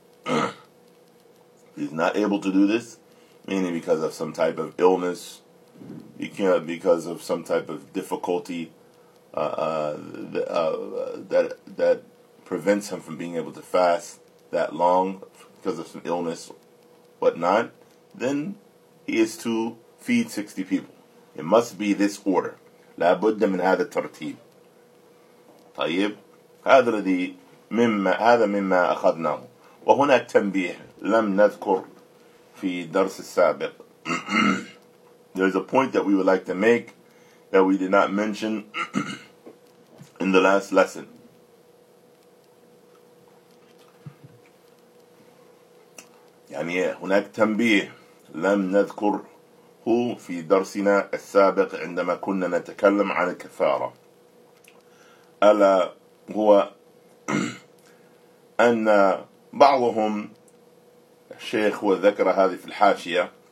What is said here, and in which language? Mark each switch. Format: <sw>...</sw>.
<en>If he's not able to do this, meaning because of some type of illness, because of some type of difficulty that prevents him from being able to fast that long because of some illness, whatnot, then he is to feed 60 people. It must be this order.</en> <ar>لا بد من هذا الترتيب. طيب هذا الذي مما هذا مما أخذناه. وهنا تنبيه لم نذكر في درس السابق.</ar> <en>There's a point that we would like to make that we did not mention in the last lesson.</en> <ar>يعني هناك تنبيه لم نذكره في درسنا السابق عندما كنا نتكلم عن الكفارة. ألا هو أن بعضهم الشيخ وذكر هذه في الحاشية</ar>